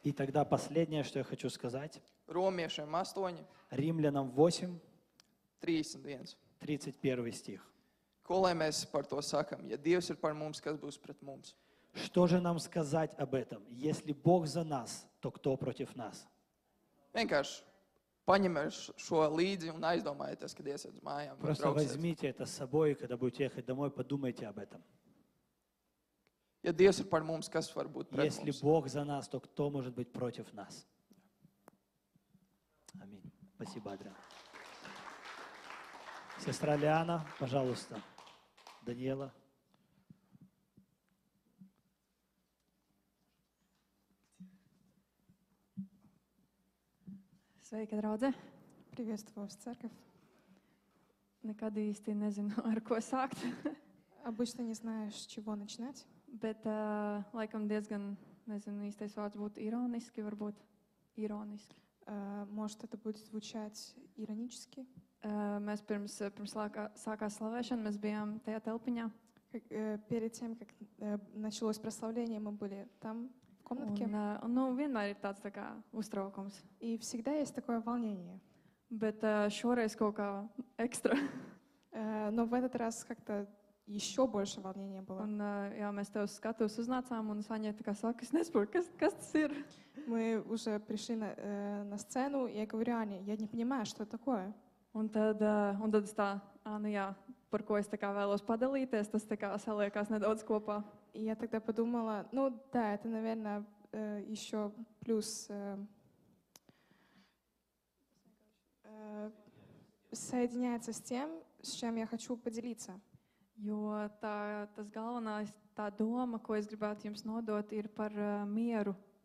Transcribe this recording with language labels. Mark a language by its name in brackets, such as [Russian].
[Russian] И тогда последнее, что я хочу сказать. [Latvian] Romiešiem 8. [Russian] Rimlianam 8. 31. 31. Stih. [Latvian] Ko lai mēs par to sakam? Ja Dievs ir par mums, kas būs pret mums? [Russian] Что же нам сказать об этом? Если Бог за нас, то кто против нас? [Latvian] Vienkārši paņemēš šo līdzi un aizdomājieties, kad iesiet mājām. [Russian] Просто возьмите это с собой, и когда будете ехать домой, подумайте об этом. [Latvian] Ja Dievs ir par mums, kas var būt pret mums? [Russian] Если Бог за нас, то кто может быть против нас? Аминь. Спасибо, Адриан. Сестра Лиана, пожалуйста. Даниэла. [Latvian] Sveika, draudze. [Russian] Приветствую вас, церковь. Никогда [Latvian] īsti nezinu, ar ko sākt. [Russian] Обычно не знаю, с чего начинать. [Latvian] Bet laikam diezgan, nezinu, īstais vārds būtu ironiski, varbūt ironiski. [Russian] Может это будет звучать иронически? [Latvian] Mēs pirms sākās slavēšana, mēs bijām tajā telpiņā. [Russian] Перед тем, как началось прославление, мы были там в комнатке. [Latvian] Un, nu, vienmēr ir tāds tā uztraukums. [Russian] И всегда есть такое волнение. [Latvian] Bet šoreiz kaut kā ekstra. [Russian] Но в этот раз как-то ещё больше волнения было. [Latvian] Un, jā, mēs tev skatos uznācām un Saņa tā kā saka, es nespoju, kas tas ir. [Russian] Мы уже пришли на сцену, и я говорю Ане, я не понимаю, что это такое. [Latvian] Un tad es tā, Ане, jā, par ko es tā vēlos padalīties, tas tā kā saliekās nedaudz kopā. [Russian] И я тогда подумала, ну да, это, наверное, ещё плюс соединяется с тем, с чем я хочу поделиться. [Latvian] Jo tas galvenais, tā doma, ko es gribētu jums nodot, ir par mieru.